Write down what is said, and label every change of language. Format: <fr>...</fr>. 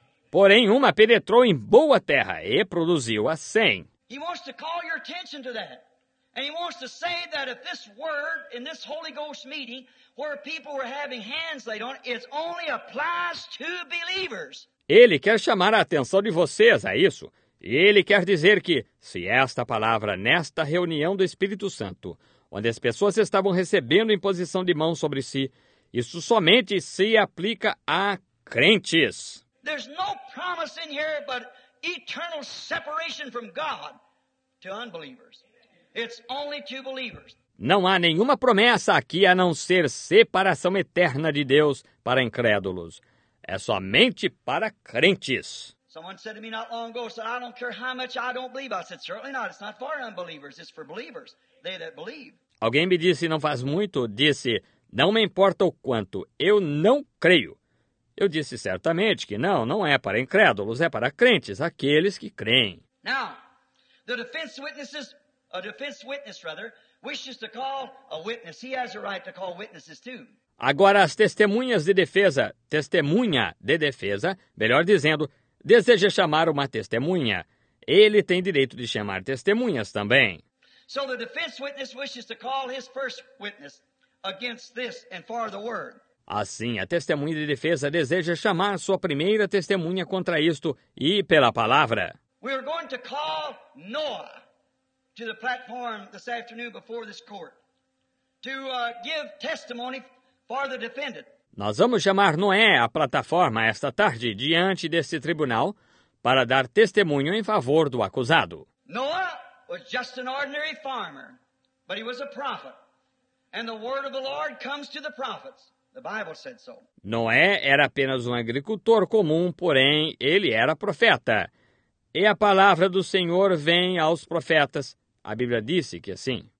<pt>Porém, uma penetrou em boa terra e produziu a 100.</pt> <en>He wants to call your attention to that. And he wants to say that if this word in this Holy Ghost meeting where people were having hands laid on it, it only applies to believers.</en> <pt>Ele quer chamar a atenção de vocês a isso. E ele quer dizer que, se esta palavra nesta reunião do Espírito Santo, onde as pessoas estavam recebendo imposição de mão sobre si, isso somente se aplica a crentes.</pt> <en>There's no promise in here but eternal separation from God to unbelievers. It's only to believers.</en> <pt>Não há nenhuma promessa aqui a não ser separação eterna de Deus para incrédulos. É somente para crentes.</pt> <en>Someone said to me not long ago, said, I don't care how much I don't believe. I said, certainly not. It's not for unbelievers. It's for believers. They that believe.</en> <pt>Alguém me disse, não faz muito, disse, não me importa o quanto, eu não creio. Eu disse certamente que não, não é para incrédulos, é para crentes, aqueles que creem.</pt> <en>Now, the defense witnesses, a defense witness rather, wishes to call a witness. He has a right to call witnesses too.</en> <pt>Agora, as testemunhas de defesa, testemunha de defesa, melhor dizendo, deseja chamar uma testemunha. Ele tem direito de chamar testemunhas também.</pt> <en>So the defense witness wishes to call his first witness against this and for the word.</en> <pt>Assim, a testemunha de defesa deseja chamar sua primeira testemunha contra isto e pela palavra.</pt> <en>We are going to call Noah to the platform this afternoon before this court to give testimony for the defendant.</en> <pt>Nós vamos chamar Noé à plataforma esta tarde diante deste tribunal para dar testemunho em favor do acusado.</pt> <en>Noah was just an ordinary farmer, but he was a prophet. And the word of the Lord comes to the prophets. The Bible said so.</en> <pt>Noé era apenas um agricultor comum, porém ele era profeta. E a palavra do Senhor vem aos profetas. A Bíblia disse que assim.</pt>